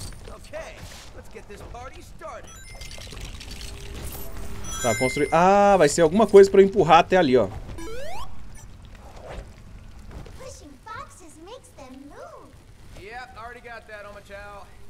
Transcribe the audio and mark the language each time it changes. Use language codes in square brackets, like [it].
[en] Okay, let's get this party started. [pt] Tá, construir. Ah, vai ser alguma coisa pra empurrar até ali, ó. [en] Pushing foxes makes them move. Yep, already got that, Omachow.